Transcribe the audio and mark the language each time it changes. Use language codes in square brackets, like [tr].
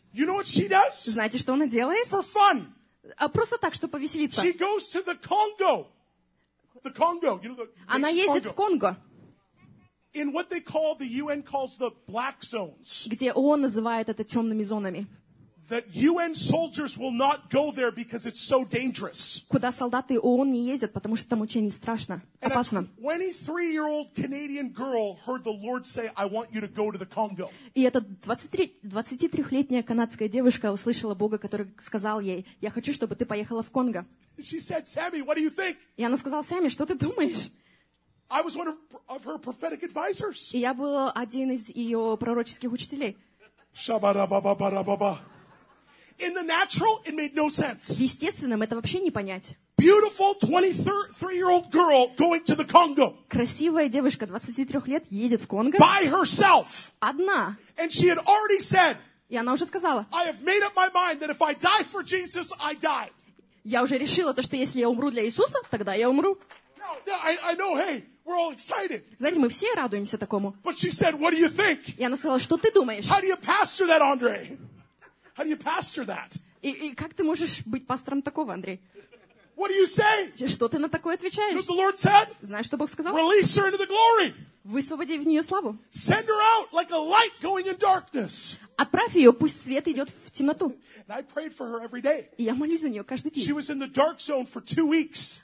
[en] You know what she does? [ru] Знаете, что она делает? [en] For fun. [ru] А просто так, чтобы повеселиться. [en] She goes to the Congo. The Congo, you know, the [ru] она ездит [en] Congo. [ru] В Конго. [en] In what they call the UN calls the black zones. [ru] Где ООН называет это темными зонами. [en] that UN soldiers will not go there because it's so dangerous. [ru] Куда солдаты ООН не ездят, потому что там очень страшно, опасно. [en] And a 23-year-old Canadian girl heard the Lord say, "I want you to go to the Congo." [ru] И эта 23-летняя канадская девушка услышала Бога, который сказал ей: "Я хочу, чтобы ты поехала в Конго." [en] She said, "Sammy, what do you think?" [ru] И она сказала: "Сэмми, что ты думаешь?" [en] I was one of her prophetic advisors. [ru] И я был один из её пророческих учителей. [en] Ша-ба-ра-ба-ба-ра-ба-ба. In the natural, it made no sense. [ru] В естественном это вообще не понять. [en] Beautiful 23-year-old girl going to the Congo. [ru] Красивая девушка 23 лет едет в Конго. [en] By herself. [ru] Одна. [en] And she had already said. [ru] И она уже сказала. [en] I have made up my mind that if I die for Jesus, I die. [ru] Я уже решила то, что если я умру для Иисуса, тогда я умру. [en] I know, hey, we're all excited. [ru] Знаете, мы все радуемся такому. [en] But she said, "What do you think?" [ru] И она сказала, что ты думаешь? [en] How do you pastor that, Andre? How do you pastor that? [ru] И как ты можешь быть пастором такого, Андрей? [en] What do you say? [ru] Что ты на такое отвечаешь? [en] What the Lord said? [ru] Знаешь, что Бог сказал? [en] Release her into the glory. [ru] Высвободи в нее славу. [en] Send her out like a light going in darkness. [ru] Отправь ее, пусть свет идет в темноту. [en] And I prayed for her every day. [ru] И я молюсь за нее каждый день. [en] She was in the dark zone for 2 weeks.